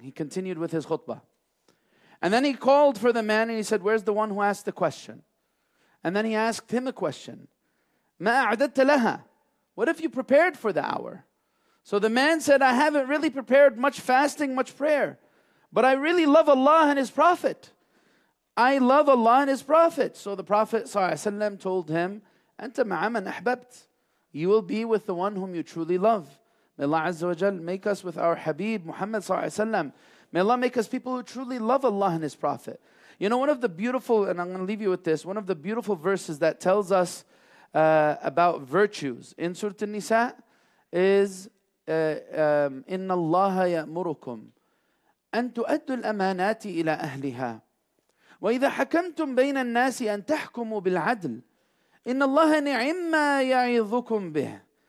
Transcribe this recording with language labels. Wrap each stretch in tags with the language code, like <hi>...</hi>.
<en>He continued with his khutbah. And then he called for the man and he said, where's the one who asked the question? And then he asked him a question.</en> <ar>مَا أَعْدَدْتَ لَهَا.</ar> <en>What have you prepared for the hour? So the man said, I haven't really prepared much fasting, much prayer. But I really love Allah and His Prophet. I love Allah and His Prophet. So the Prophet ﷺ told him,</en> <ar>أَنْتَ مَعَ مَنْ أَحْبَبْتَ.</ar> <en>You will be with the one whom you truly love. May Allah Azza wa Jal make us with our Habib Muhammad ﷺ. May Allah make us people who truly love Allah and His Prophet. You know, one of the beautiful, and I'm going to leave you with this, one of the beautiful verses that tells us about virtues in Surah An-Nisa is</en> <ar>إِنَّ اللَّهَ يَأْمُرُكُمْ أَن تُؤَدُّوا الْأَمَانَاتِ إِلَىٰ أَهْلِهَا وَإِذَا حَكَمْتُمْ بَيْنَ النَّاسِ أَن تَحْكُمُوا بِالْعَدْلِ إِنَّ اللَّهَ نِعِمَّا يَعِظُكُمْ بِهِ.</ar>